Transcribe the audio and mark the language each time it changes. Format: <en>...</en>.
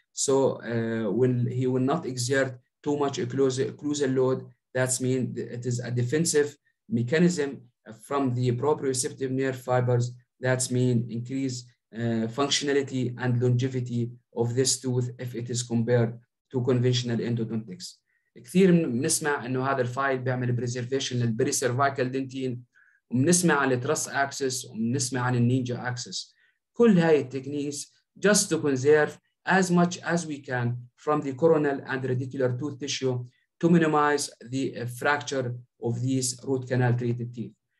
<en>So he will not exert too much occlusal load. That means it is a defensive mechanism from the proprioceptive nerve fibers. That means increase functionality and longevity of this tooth if it is compared to conventional endodontics.</en> <ar>كثير بنسمع انه هذا الفايل بيعمل بريزرفيشن للبري سيرفايكال دنتين، وبنسمع عن التراس اكسس، وبنسمع عن النينجا اكسس. كل هاي التكنيكس</ar> <en>just to conserve as much as we can from the coronal and radicular tooth tissue to minimize the fracture of these root canal treated teeth.</en>